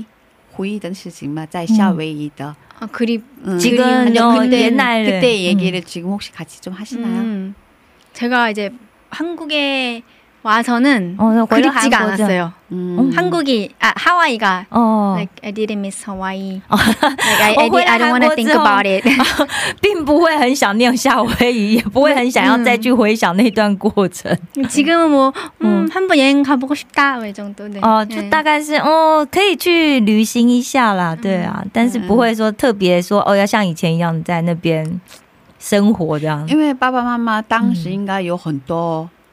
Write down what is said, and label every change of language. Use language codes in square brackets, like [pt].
[zh] 就是因为得到了这样的呼召，所以似乎更能够理解父母的在牧会过程当中的辛苦。嗯，那现在你们都回国了吧？ [ko] 지금 [zh] 韩国 [ko] 돌아오셨죠？ [zh] 那现在有时候可以一起聊聊那段时间的事情吗？回忆的事情吗？在夏威夷的。 [ko] 아, 그립. 지금 옛날에 그때 얘기를 지금 혹시 같이 좀 하시나요? 제가 이제 한국에 와서는 그립지가 않았어요. 한국이 아 하와이가 [en] like I didn't miss Hawaii. Like, I don't want to think about it. [zh] 并不会很想念夏威夷，也不会很想要再去回想那段过程. [ko] 지금은 뭐 한번 여행 가보고 싶다 이 정도. [zh] 就大概是哦，可以去旅行一下啦，对啊，但是不会说特别说哦要像以前一样在那边生活这样。因为爸爸妈妈当时应该有很多。